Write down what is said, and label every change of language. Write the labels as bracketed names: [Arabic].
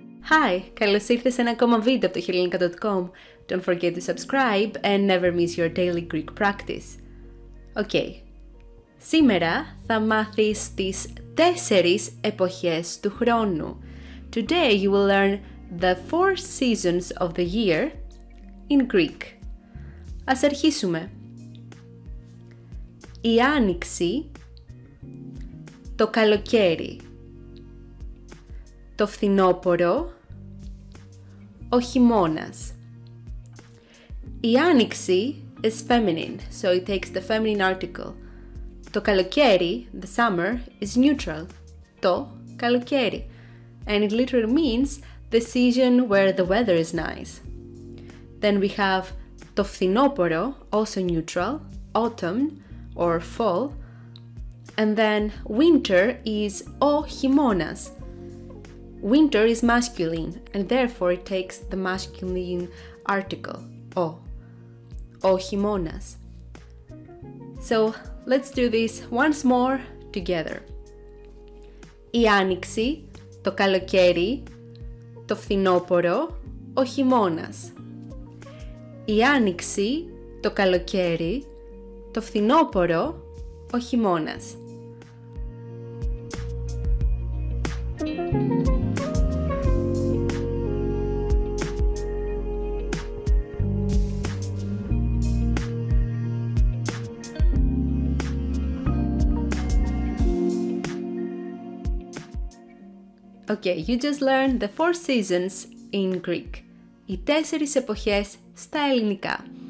[Greek] Hi, καλώς ήρθες σε ένα ακόμα βίντεο από το Hellenica.com. [English] Don't forget to subscribe and never miss your daily Greek practice. Okay. [Greek] Σήμερα θα μάθεις τις τέσσερις εποχές του χρόνου. [English] Today you will learn the four seasons of the year in Greek. [Greek] Ας αρχίσουμε. Η άνοιξη, το καλοκαίρι, το φθινόπωρο, ο χειμώνας. Η άνοιξη [English] is feminine, so it takes the feminine article. [Greek] Το καλοκαίρι, [English] the summer, is neutral, [Greek] το καλοκαίρι. [English] And it literally means the season where the weather is nice. Then we have [Greek] το φθινόπωρο, [English] also neutral, autumn or fall. And then winter is [Greek] ο χειμώνας. [English] Winter is masculine, and therefore it takes the masculine article, ο. [Greek] Ο χειμώνας. [English] So, let's do this once more together. [Greek] Η άνοιξη, το καλοκαίρι, το φθινόπωρο, ο χειμώνας. Η άνοιξη, το καλοκαίρι, το φθινόπωρο, ο χειμώνας. [English] Okay, you just learned the four seasons in Greek. [Greek] Οι τέσσερις εποχές στα ελληνικά.